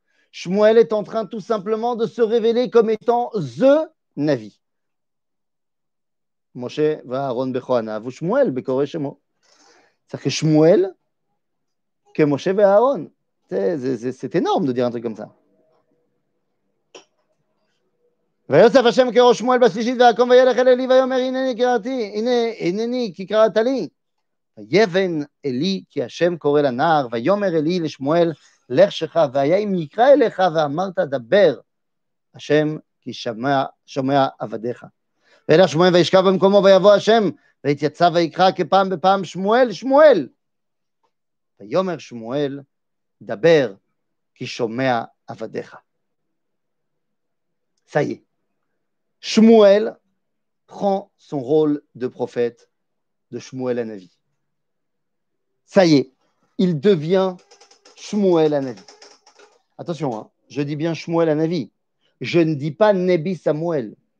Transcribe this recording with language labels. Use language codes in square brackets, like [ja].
[fr] Shmuel est en train tout simplement de se révéler comme étant The Navi. [he] Moshe va Aaron Bechoana. [fr] Vous Shmuel, Bekore Shemo. C'est-à-dire que Shmuel, que Moshe va Aaron. C'est énorme de dire un truc comme ça. [he] ויוסף השם קרא שמואל בשלישית ויקום וילך אל אלי ויאמר הנני קראתי הנני כי קראת לי ויבן אלי כי השם קורא לנער ויאמר אלי לשמואל לך שכב והיה אם יקרא אליך ואמרת דבר השם כי שמע עבדיך וילך שמואל וישכב במקומו ויבוא השם ויתייצב ויקרא כפעם בפעם שמואל, שמואל. ויאמר שמואל, דבר כי שומע עבדיך. [fr] Ça y est. Shmuel prend son rôle de prophète de Shmuel Hanavi. Ça y est, il devient Shmuel Hanavi. Attention, hein, je dis bien Shmuel Hanavi. Je ne dis pas Nebi Samuel.